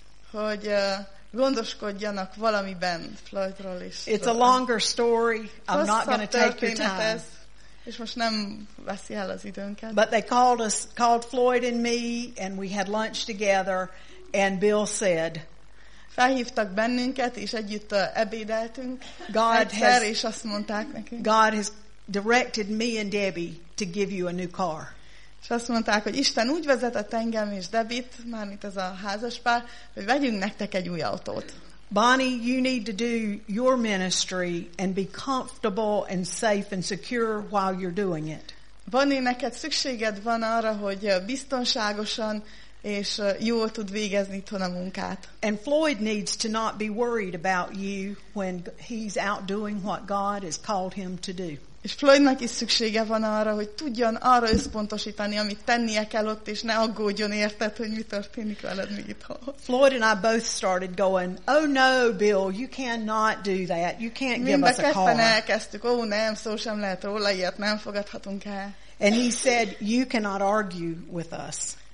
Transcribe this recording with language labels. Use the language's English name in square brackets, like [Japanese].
[Hungarian] Hogy gondoskodjanak valamiben Floydról is. [English] It's a longer story. I'm not going to take your time. [Hungarian] És most nem veszi el az időnket. [English] But they called us, called Floyd and me, and we had lunch together, and Bill said, [Hungarian] felhívtak bennünket, és együtt ebédeltünk. És azt mondták nekünk. [English] God has directed me and Debbie to give you a new car. [Hungarian] És azt mondták, hogy Isten úgy vezetett engem és Debbie-t, mármint ez a házaspár, hogy vegyünk nektek egy új autót. [English] Bonnie, you need to do your ministry and be comfortable and safe and secure while you're doing it. [Hungarian] Bonnie, neked szükséged van arra, hogy biztonságosan és jól tud végezni itthon a munkát. [English] And Floyd needs to not be worried about you when he's out doing what God has called him to do. [Hungarian] És Floydnak is szüksége van arra, hogy tudjon arra összpontosítani, amit tennie kell ott, és ne aggódjon érted, hogy mi történik veled még itthon. [English] Floyd and I both started going, oh no, Bill, you cannot do that. You can't give us a car. [Hungarian] Mindketten elkezdtük, oh nem, szó sem lehet róla, ilyet nem fogadhatunk el. [English] And he said, you cannot argue with us.